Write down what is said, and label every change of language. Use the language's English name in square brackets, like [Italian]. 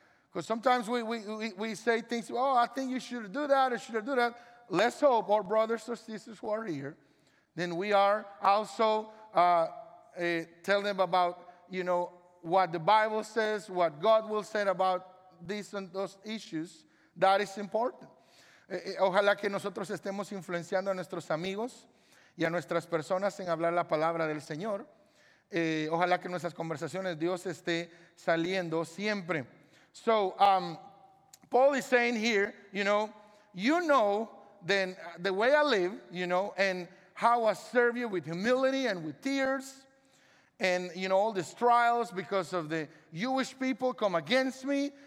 [English] Because sometimes we say things, oh, I think you should do that, or should I do that? Let's hope our brothers or sisters who are here, then we are also tell them about, you know, what the Bible says, what God will say about these and those issues. That is important. [Spanish] Ojalá que nosotros estemos influenciando a nuestros amigos y a nuestras personas en hablar la palabra del Señor. Ojalá que nuestras conversaciones Dios esté saliendo siempre. [English] So, Paul is saying here, you know, then the way I live, you know, and how I serve you with humility and with tears, and, you know, all these trials because of the Jewish people come against me.